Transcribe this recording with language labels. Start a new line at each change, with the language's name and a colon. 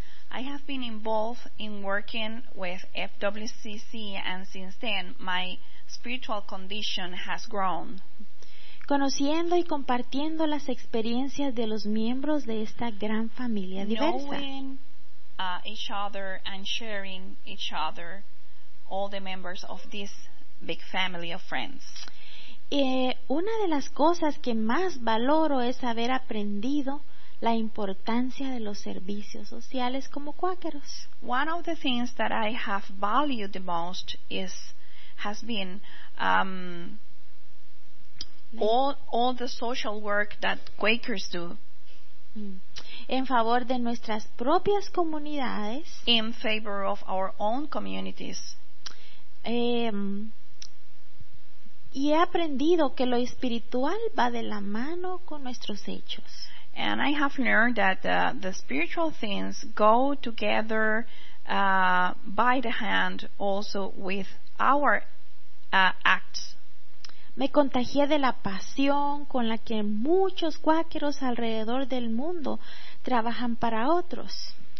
English: I have been involved in working with FWCC, and since then my spiritual condition has grown.
Spanish: Conociendo y compartiendo las experiencias de los miembros de esta gran familia diversa.
English: Knowing each other and sharing each other, all the members of this big family of friends.
Spanish: Una de las cosas que más valoro es haber aprendido la importancia de los servicios sociales como cuáqueros.
English: One of the things that I have valued the most has been all the social work that Quakers do.
Spanish: En favor de nuestras propias comunidades.
English: In favor of our own communities.
Spanish: Y he aprendido que lo espiritual va de la mano con nuestros hechos.
English: And I have learned that the spiritual things go together by the hand also with our acts.
Spanish: Me contagié de la pasión con la que muchos cuáqueros alrededor del mundo trabajan para otros.